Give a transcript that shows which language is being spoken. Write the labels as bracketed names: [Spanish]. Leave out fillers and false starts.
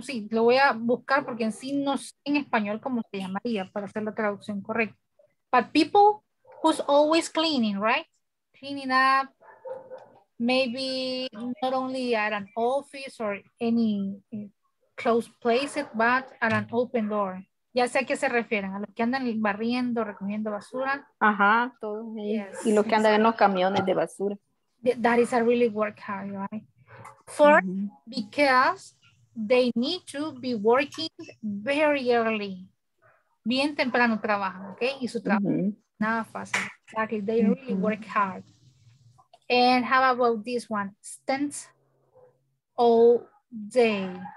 [Spanish] Sí, lo voy a buscar porque en sí no sé en español cómo se llamaría para hacer la traducción correcta. [English] But people who's always cleaning, right? Cleaning up. Maybe not only at an office or any closed places, but at an open door. [Spanish] Ya sé a qué se refieren, a los que andan barriendo, recogiendo basura. Ajá, todo. Yes. Y los que andan en los camiones de basura. [English] That is a really work hard, right? First, mm-hmm. because they need to be working very early. [Spanish] Bien temprano trabajan, okay? Y su trabajo, mm-hmm. nada fácil. [English] Exactly, they mm-hmm. really work hard. And how about this one? Stands all day.